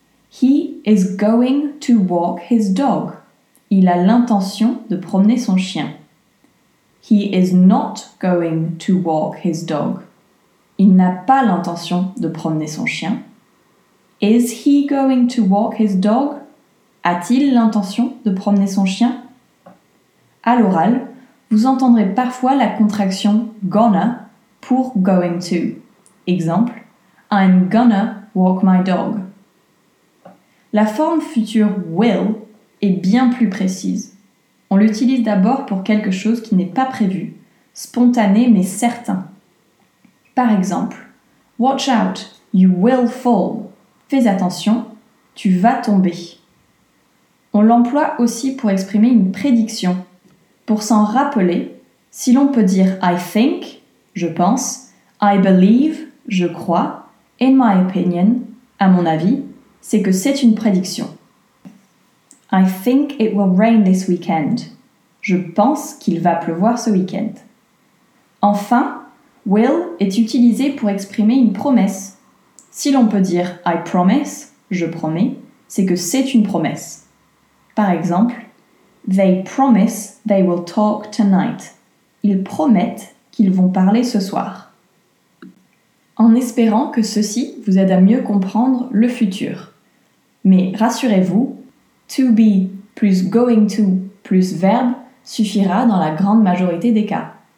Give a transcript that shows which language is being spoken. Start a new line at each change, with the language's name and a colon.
English: He is going to walk his dog.
French: Il a l'intention de promener son chien.
English: He is not going to walk his dog.
French: Il n'a pas l'intention de promener son chien.
English: Is he going to walk his dog?
French: A-t-il l'intention de promener son chien? À l'oral, vous entendrez parfois la contraction gonna pour going to. Exemple,
English: I'm gonna walk my dog.
French: La forme future will est bien plus précise. On l'utilise d'abord pour quelque chose qui n'est pas prévu, spontané mais certain. Par exemple,
English: watch out, you will fall.
French: Fais attention, tu vas tomber. On l'emploie aussi pour exprimer une prédiction. Pour s'en rappeler, si l'on peut dire
English: I think,
French: je pense,
English: I believe,
French: je crois,
English: in my opinion,
French: à mon avis, c'est que c'est une prédiction.
English: I think it will rain this weekend.
French: Je pense qu'il va pleuvoir ce week-end. Enfin, will est utilisé pour exprimer une promesse. Si l'on peut dire
English: I promise,
French: je promets, c'est que c'est une promesse. Par exemple,
English: they promise they will talk tonight.
French: Ils promettent qu'ils vont parler ce soir. En espérant que ceci vous aide à mieux comprendre le futur. Mais rassurez-vous, to be plus going to plus verbe suffira dans la grande majorité des cas.